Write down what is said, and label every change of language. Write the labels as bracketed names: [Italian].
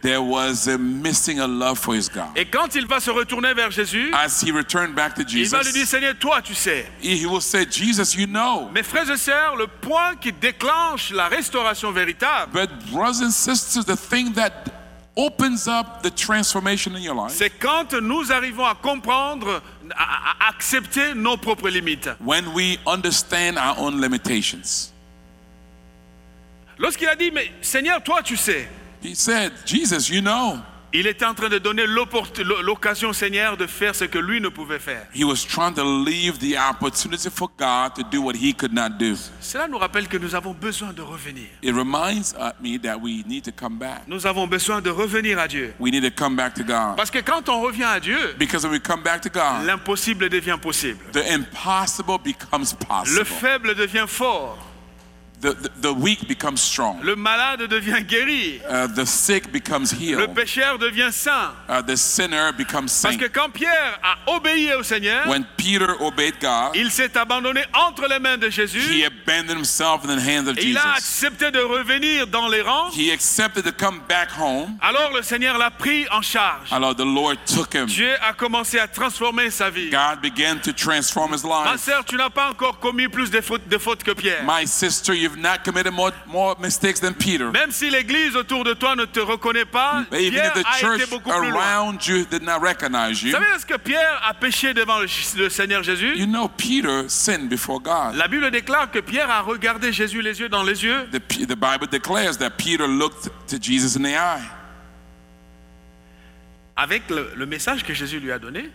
[English] There was a missing a love for his God. [French] Et quand il va se retourner vers Jésus, [English] as he returned back to Jesus, [French] il va lui dire, Seigneur, toi, tu sais. [English] He will say, Jesus, you know. [French] Mes frères et sœurs, le point qui déclenche la restauration véritable. [English] But brothers and sisters, the thing that opens up the transformation in your life. [French] C'est quand nous arrivons à comprendre, à accepter nos propres limites. [English] When we understand our own limitations. [French] Lorsqu'il a dit, mais Seigneur, toi tu sais. [English] He said, Jesus, you know. [French] Il était en train de donner l'occasion au Seigneur de faire ce que lui ne pouvait faire. [English] He was trying to leave the opportunity for God to do what he could not do. [French] Cela nous rappelle que nous avons besoin de revenir. [English] It reminds me that we need to come back. [French] Nous avons besoin de revenir à Dieu. [English] We need to come back to God. [French] Parce que quand on revient à Dieu, [English] because when we come back to God, [French] l'impossible devient possible. [English] The impossible becomes possible. [French] Le faible devient fort. [English] The weak becomes strong. [French] Le malade devient guéri. [English] The sick becomes healed. [French] Le pécheur devient saint. [English] The sinner becomes saint. [French] Parce que quand Pierre a obéi au Seigneur, [English] when Peter obeyed God, [French] il s'est abandonné entre les mains de Jésus. [English] He abandoned himself in the hands of [French] et [English] Jesus. [French] Il a accepté de revenir dans les rangs. [English] He accepted to come back home. [French] Alors le Seigneur l'a pris en charge. Alors [English] the Lord took him. [French] Dieu a commencé à transformer sa vie. [English] God began to transform his life. [French] Ma sœur, tu n'as pas encore commis plus de fautes que Pierre. [English] My sister, you've have not committed more mistakes than Peter. [French] Même si l'église autour de toi ne te reconnaît pas, Pierre a été beaucoup plus loin. [English] Even if the church around you did not recognize you. [French] Savez ce que Pierre a péché devant le Seigneur Jésus? [English] You know Peter sinned before God. [French] La Bible déclare que Pierre a regardé Jésus les yeux dans les yeux. [English] The Bible declares that Peter looked to Jesus in the eye. [French] Avec le message que Jésus lui a donné.